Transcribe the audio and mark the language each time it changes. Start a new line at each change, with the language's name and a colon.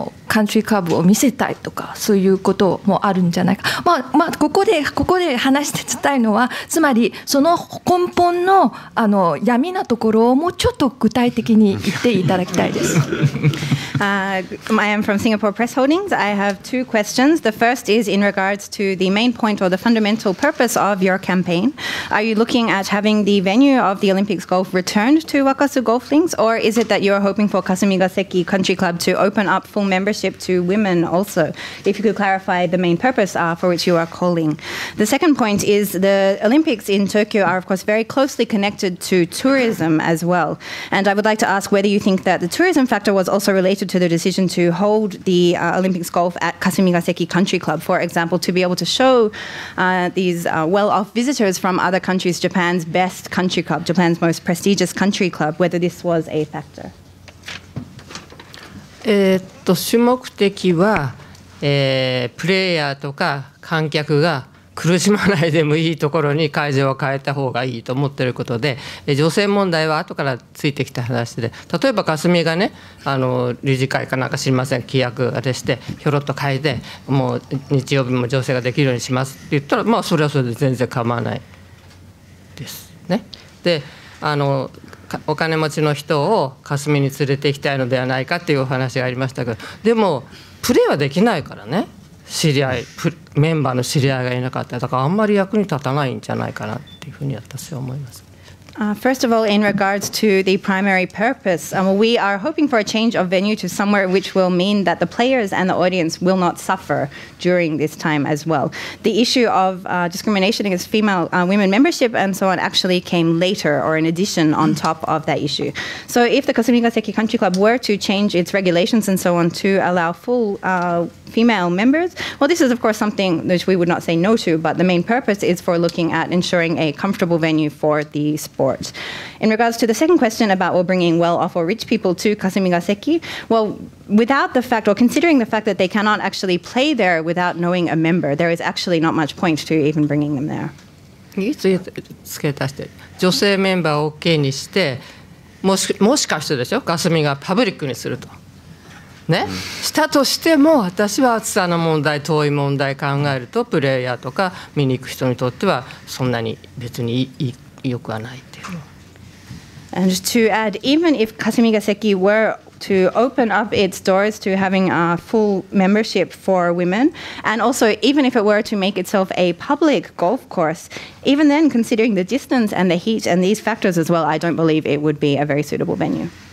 Japanese: カントリークラブを見せたいとかそういうこともあるんじゃないか、まあまあ、ここで話してきたいのはつまりその根本 の、 あの闇なところをもうちょっと具体的に言っていただきたいです。
English: I am from Singapore Press Holdings. I have two questions. The first is in regards to the main point or the fundamental purpose of your campaign. Are you looking at having the venue of the Olympics golf returned to Wakasu Golf Links, or is it that you are hoping for Kasumigaseki Country Club to open up full membership to women also? If you could clarify the main purpose for which you are calling. The second point is the Olympics in Tokyo are of course very closely connected to tourism as well. And I would like to ask whether you think that the tourism factor was also related to the decision to hold the Olympics golf at Kasumigaseki Country Club, for example, to be able to show these well-off visitors from other countries Japan's best country club, Japan's most prestigious country club, whether this was a factor.
Japanese: 主目的は、プレイヤーとか観客が苦しまないでもいいところに会場を変えた方がいいと思っていることで、女性問題は後からついてきた話で、例えば霞がね、あの理事会かなんか知りません、規約あれしてひょろっと変えてもう日曜日も女性ができるようにしますって言ったら、まあそれはそれで全然構わないですね。であのお金持ちの人を霞に連れて行きたいのではないかっていうお話がありましたけど、でもプレーはできないからね、知り合いメンバーの知り合いがいなかった、だからあんまり役に立たないんじゃないかなっていうふうに私は思います。
English: First of all, in regards to the primary purpose, we are hoping for a change of venue to somewhere which will mean that the players and the audience will not suffer during this time as well. The issue of discrimination against female women membership and so on actually came later or in addition on top of that issue. So if the Kasumigaseki Country Club were to change its regulations and so on to allow full female members, well, this is of course something which we would not say no to, but the main purpose is for looking at ensuring a comfortable venue for the sport. In regards to the second question about bringing well-off or rich people to Kasumigaseki, well, without the fact or considering the fact that they cannot actually play there without knowing a member, there is actually not much point to even bringing them there.
Japanese: 付け足して女性メンバーを OK にして、もしかしてでしょ、霞がパブリックにするとね、したとしても私は暑さの問題、遠い問題考えるとプレイヤーとか見に行く人にとってはそんなに別に良くはないっていう。
English: And to add, even if Kasumigaseki were to open up its doors to having a full membership for women, and also even if it were to make itself a public golf course, even then considering the distance and the heat and these factors as well, I don't believe it would be a very suitable venue.